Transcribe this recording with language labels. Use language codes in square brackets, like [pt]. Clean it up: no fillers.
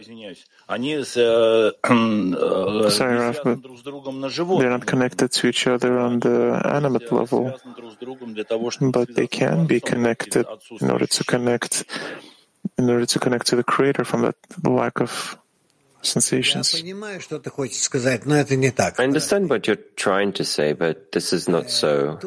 [en] Sorry, Raf, but they're not connected to each other on the animate level, but they can be connected in order to connect to the Creator from that lack of sensations. [ru] Я понимаю, что ты хочешь сказать, но это не так. [en] I understand what you're trying to say, but this is not so.